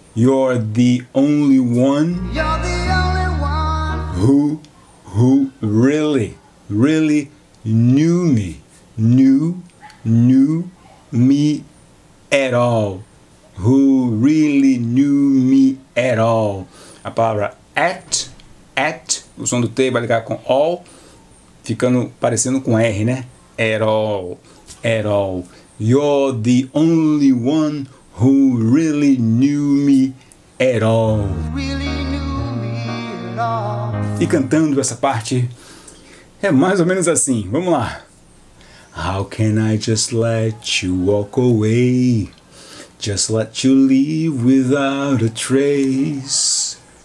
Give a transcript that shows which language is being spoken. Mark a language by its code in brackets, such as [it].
[en] You're the only one. You're the only one. Who, who really, really knew me, knew me at all. Who really knew me at all. [pt] A palavra at, o som do T vai ligar com all, ficando parecendo com R, né? [en] At all, you're the only one who really knew me at all. Really knew me at all. [pt] E cantando essa parte, é mais ou menos assim, vamos lá. [en] How can I just let you walk away? Just let you leave without a trace.